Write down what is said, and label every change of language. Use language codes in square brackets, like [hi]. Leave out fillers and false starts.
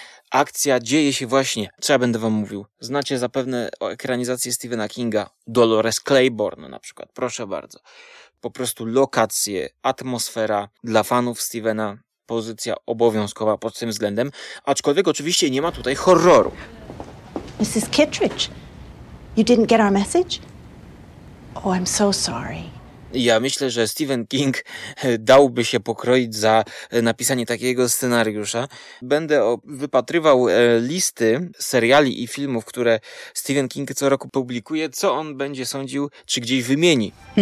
[pl] Akcja dzieje się właśnie, co ja będę wam mówił. Znacie zapewne o ekranizację Stephena Kinga, Dolores Claiborne na przykład, proszę bardzo. Po prostu lokacje, atmosfera dla fanów Stephena, pozycja obowiązkowa pod tym względem. Aczkolwiek oczywiście nie ma tutaj horroru. [en] Mrs. Kittredge, you didn't get our message? Oh, I'm so sorry. [pl] Ja myślę, że Stephen King dałby się pokroić za napisanie takiego scenariusza. Będę wypatrywał listy seriali i filmów, które Stephen King co roku publikuje, co on będzie sądził, czy gdzieś wymieni.